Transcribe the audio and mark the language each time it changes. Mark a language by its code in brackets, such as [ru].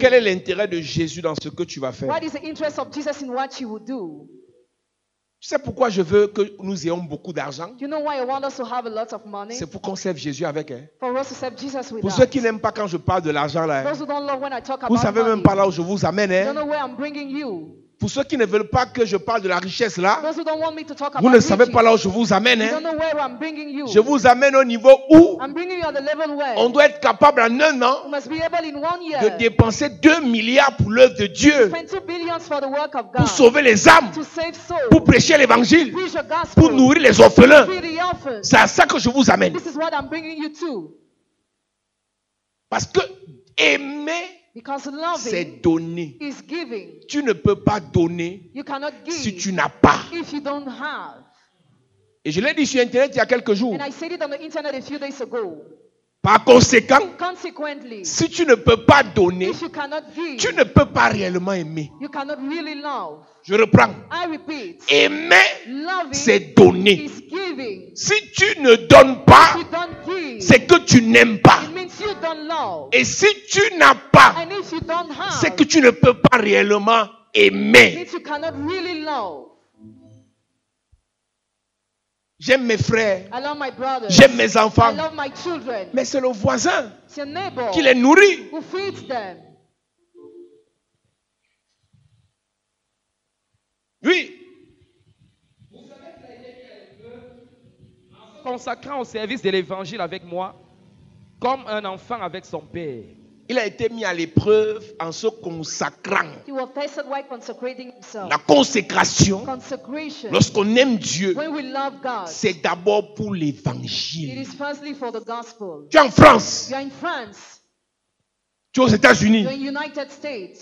[fr] quel est l'intérêt de Jésus dans ce que tu vas faire? [en] What is the interest of Jesus in what you will do? [fr] Tu sais pourquoi je veux que nous ayons beaucoup d'argent? [en] You know why I want us to have a lot of money? [fr] C'est pour qu'on serve Jésus avec. Hein? [en] For us to serve Jesus with [fr] pour ceux qui n'aiment pas quand je parle de l'argent, là, hein? [en] Those who don't love when I talk about [fr] vous savez [en] money. [fr] Même pas là où je vous amène. Hein? [en] You know where I'm bringing you. [fr] Pour ceux qui ne veulent pas que je parle de la richesse là, [en] those who don't want me to talk about [fr] vous ne savez pas là où je vous amène. [en] You don't know where I'm bringing you. [fr] Je vous amène au niveau où [en] I'm bringing you at the level where [fr] on doit être capable en un an [en] you must be able in one year [fr] de dépenser 2 milliards pour l'œuvre de Dieu, [en] to spend 2 billions for the work of God, [fr] pour sauver les âmes, [en] to save souls, [fr] pour prêcher l'évangile, [en] to preach the gospel, [fr] pour nourrir les orphelins. [en] To feed the orphans. [fr] C'est à ça que je vous amène. [en] This is what I'm bringing you to. [fr] Parce que aimer, [en] because loving [fr] c'est donner. [en] Is giving. [fr] Tu ne peux pas donner [en] you cannot give [fr] si tu n'as pas. [en] If you don't have. [fr] Et je l'ai dit sur Internet il y a quelques jours. [en] And I said it on the Internet a few days ago. [fr] Par conséquent, [en] consequently, [fr] si tu ne peux pas donner, [en] if you cannot give, [fr] tu ne peux pas réellement aimer. [en] You cannot really love. [fr] Je reprends. [en] I repeat, [fr] aimer, [en] loving, [fr] c'est donner. [en] Is giving. [fr] Si tu ne donnes pas, [en] if you don't give, [fr] c'est que tu n'aimes pas. [en] It means you don't love. [fr] Et si tu n'as pas, [en] and if you don't have, [fr] c'est que tu ne peux pas réellement aimer. [en] It means you cannot really love. [fr] J'aime mes frères. [en] I love my brothers. [fr] J'aime mes enfants. [en] I love my children. [fr] Mais c'est le voisin, [en] it's your neighbor, [fr] qui les nourrit. [en] Who feeds them. [fr] Oui. En consacrant au service de l'évangile avec moi, comme un enfant avec son père. Il a été mis à l'épreuve en se consacrant. [en] He was tested by consecrating himself. [fr] La consécration, [en] consecration, [fr] lorsqu'on aime Dieu, [en] when we love God, [fr] c'est d'abord pour l'évangile. [en] It is firstly for the gospel. [fr] Tu es en France. [en] You are in France. [fr] Tu es aux États-Unis. [en] You are in United States.